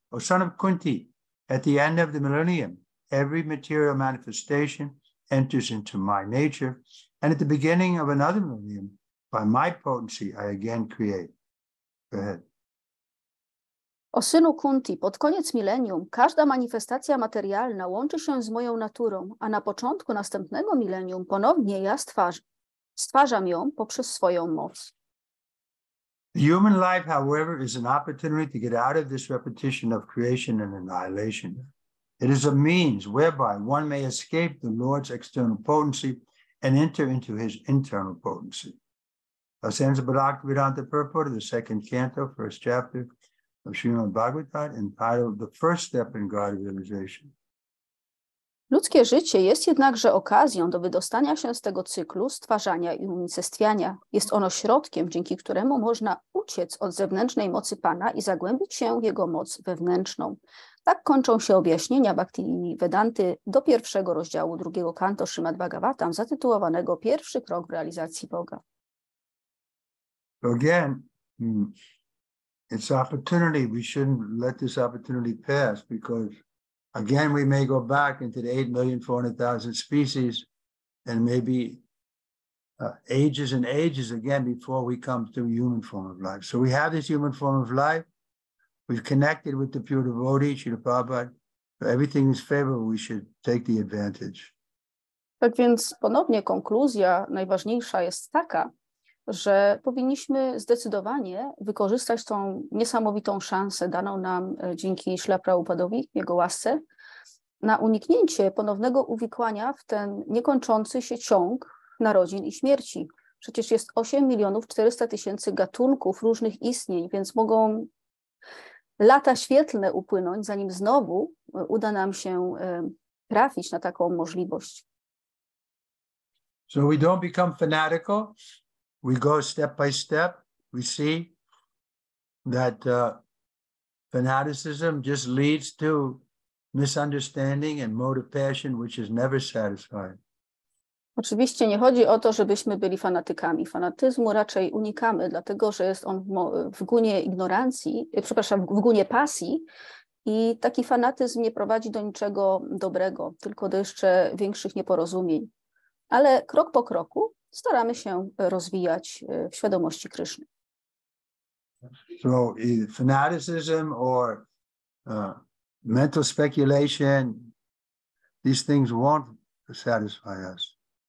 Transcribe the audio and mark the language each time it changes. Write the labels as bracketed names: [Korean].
[English] O son of Kunti, at the end of the millennium, every material manifestation enters into my nature, and at the beginning of another millennium, by my potency, I again create. Go ahead. [Polish] O synu Kunti, pod koniec milenium każda manifestacja materialna łączy się z moją naturą, a na początku następnego milenium ponownie ja stwarzam ją poprzez swoją moc. [English] The human life, however, is an opportunity to get out of this repetition of creation and annihilation. It is a means whereby one may escape the Lord's external potency and enter into his internal potency. Asanza Bhaktivedanta Purport, the second canto, first chapter of Srimad Bhagavatam, entitled The First Step in God Realization. [Polish] Ludzkie życie jest jednakże okazją do wydostania się z tego cyklu stwarzania i unicestwiania. Jest ono środkiem, dzięki któremu można uciec od zewnętrznej mocy Pana i zagłębić się w jego moc wewnętrzną. Tak kończą się objaśnienia Bhaktivedanty do pierwszego rozdziału drugiego kanto Srimad Bhagavatam, zatytułowanego Pierwszy krok w realizacji Boga. [English] Again, it's opportunity. We shouldn't let this opportunity pass because again, we may go back into the 8,400,000 species and maybe ages and ages again before we come to a human form of life. So we have this human form of life. We've connected with the pure devotee, Srila Prabhupada. Everything is favorable. We should take the advantage. [Polish] Tak więc ponownie konkluzja najważniejsza jest taka, że powinniśmy zdecydowanie wykorzystać tą niesamowitą szansę daną nam dzięki Śla Prabhupadowi, jego łasce, na uniknięcie ponownego uwikłania w ten niekończący się ciąg narodzin i śmierci. Przecież jest 8,400,000 gatunków różnych istnień, więc mogą lata świetlne upłynąć, zanim znowu uda nam się trafić na taką możliwość. [English] So we don't become fanatical. We go step by step. We see that fanaticism just leads to misunderstanding and mode of passion, which is never satisfied. [Polish] Oczywiście nie chodzi o to, żebyśmy byli fanatykami. Fanatyzmu raczej unikamy, dlatego że jest on w gunie ignorancji, przepraszam, w gunie pasji, i taki fanatyzm nie prowadzi do niczego dobrego, tylko do jeszcze większych nieporozumień. Ale krok po kroku staramy się rozwijać w świadomości Kryszny. [English] So fanaticism or mental speculation, these things won't satisfy us.